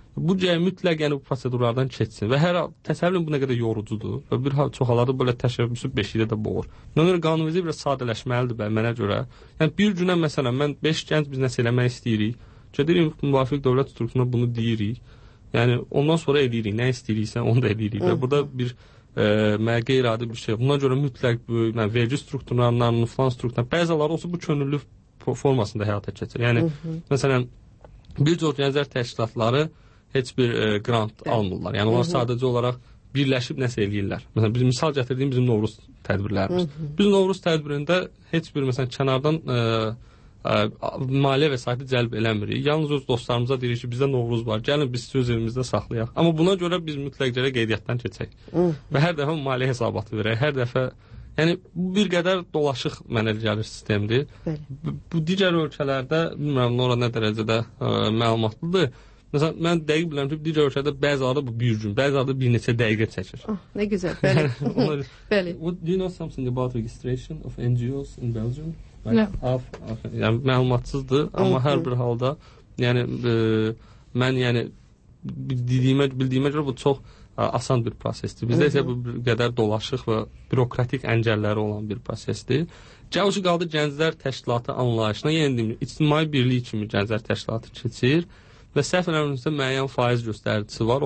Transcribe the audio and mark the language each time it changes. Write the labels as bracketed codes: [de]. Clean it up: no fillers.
[az] Bu cəhə mütləq, yəni, bu prosedurlardan keçsin. Və hər hal, təsəvvürün bu nə qədər yorucudur və bir çox halarda belə təşəbbüsü beşikdə də boğur. Nəqədər qanunvericilik biraz sadələşməlidir mənə görə. Yəni, bir günə, məsələn, mən 5 gənc biz nəsə eləmək istəyirik, gedirik müvafiq dövlət strukturuna bunu deyirik. Yəni, ondan sonra edirik, nə istəyiriksə onu da edirik. Və burada bir qeyri-adi bir şey. Buna görə mütləq bu, yəni, vergi strukturlarının, falan strukturlarının, bəzi halarda olsa bu könüllü formasında həyata keçir. Yəni, məsələn, bir çox gənclər təşkilatları heç bir grant almırlar. Yəni, onlar sadəcə olaraq birləşib nəsə eləyirlər. Məsələn, biz misal gətirdiyim bizim Novruz tədbirlərimiz. Biz Novruz tədbirində heç bir, məsələn, kənardan maliyyə vəsaiti cəlb eləmirik. Yalnız öz dostlarımıza deyirik ki, bizdə Novruz var, gəlin biz söz evimizdə saxlayaq. Amma buna görə biz mütləq gələ qeydiyyatdan keçək. Və hər dəfə maliyyə hesabatı verək, hər dəfə. Yəni, bu bir qədər dolaşıq mənəli gəlir sistemdir. Bu digər ölkələrdə, bilmirəm, ora nə dərəcədə məlumatlıdır. Məsələn, mən dəqiq biləm ki, digər ölkədə bəzi halda bu bir gün, bəzi halda bir neçə dəqiqə çəkir. Oh, nə gözəl, bəli. [en] Do you know something about registration of NGOs in Belgium? [az] Yəni məlumatsızdır, amma hər bir halda, yəni mən yəni bildiyimə görə bu çox asan bir prosesdir. Bizdə isə bu bir qədər dolaşıq və bürokratik əncəlləri olan bir prosesdir. Cavuşu qaldı gənclər təşkilatı anlayışına, yəni deyim, ictimai birlik kimi gənclər təşkilatı keçir və səhv eləmirsə müəyyən faiz göstəricisi var.